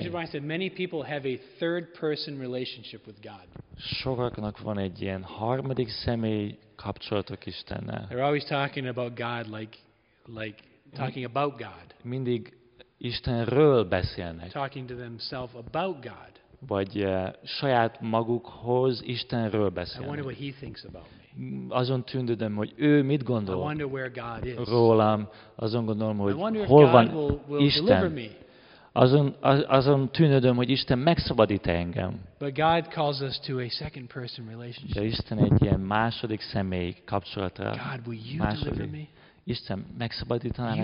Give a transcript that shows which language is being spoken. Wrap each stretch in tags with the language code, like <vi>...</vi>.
<en>Pastor Brian said many people have a third person relationship with God.</en> <hu>Sokaknak van egy ilyen harmadik személy kapcsolatok Istennel.</hu> <en>They're always talking about God like talking about God.</en> <hu>Mindig Istenről beszélnek.</hu> <en>Talking to themselves about God.</en> <hu>Vagy saját magukhoz Istenről beszélnek.</hu> <en>I wonder what he thinks about me.</en> <hu>Azon tündődöm, hogy ő mit gondol.</hu> <en>I wonder where God is.</en> <hu>Rólam. Azon gondolom, hogy</hu> <en>I wonder</en> <hu>hol</hu> <en>if God</en> <hu>van</hu> <en>will</en> <hu>Isten.</hu> <en>Deliver me.</en> <hu>Azon tündődöm, hogy Isten megszabadít engem.</hu> <en>But God calls us to a second person relationship.</en> <hu>De Isten egy ilyen második személy kapcsolatra.</hu> <en>God, will you deliver me?</en> <hu>Isten megszabadítaná meg.</hu>